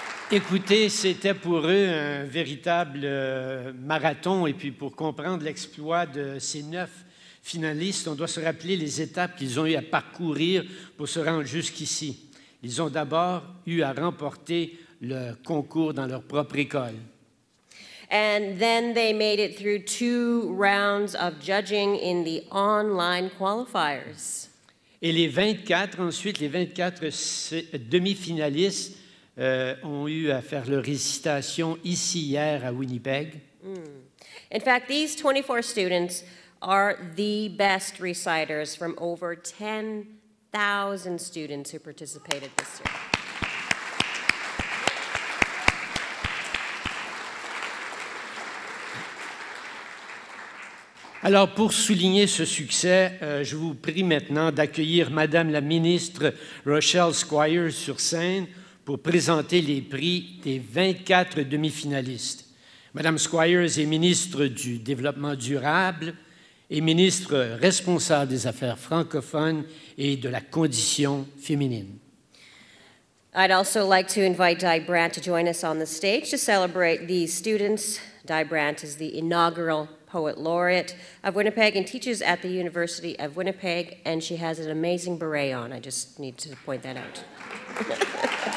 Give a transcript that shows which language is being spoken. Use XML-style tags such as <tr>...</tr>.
<fr>Écoutez, c'était pour eux un véritable marathon, et puis pour comprendre l'exploit de ces 9 finalistes, on doit se rappeler les étapes qu'ils ont eu à parcourir pour se rendre jusqu'ici. Ils ont d'abord eu à remporter le concours dans leur propre école.</fr> <en>And then they made it through 2 rounds of judging in the online qualifiers.</en> <fr>Et les 24, ensuite, les 24 demi-finalistes ont eu à faire leur récitation ici hier à Winnipeg.</fr> <en>In fact, these 24 students are the best reciters from over 10,000 students who participated this year.</en> <fr>Alors, pour souligner ce succès, je vous prie maintenant d'accueillir Madame la ministre Rochelle Squire sur scène pour présenter les prix des 24 demi-finalistes. Madame Squire est ministre du Développement durable et ministre responsable des affaires francophones et de la condition féminine.</fr> <en>I'd also like to invite Di Brant to join us on the stage to celebrate these students. Di Brant is the inaugural poet laureate of Winnipeg and teaches at the University of Winnipeg, and she has an amazing beret on. I just need to point that out.</en>